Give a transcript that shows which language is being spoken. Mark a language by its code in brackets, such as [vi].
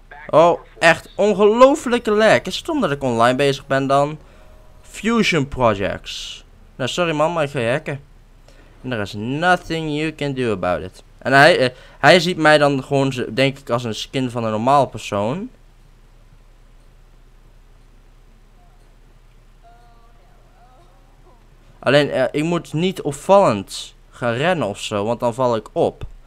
[nl] Oh, echt ongelofelijke lag. Is het omdat ik online bezig ben dan? Fusion Projects. Nou, sorry man, maar ik ga je hacken. [en] And there is nothing you can do about it. [nl] En hij ziet mij dan gewoon, denk ik, als een skin van een normaal persoon. Alleen, ik moet niet opvallend gaan rennen ofzo, want dan val ik op.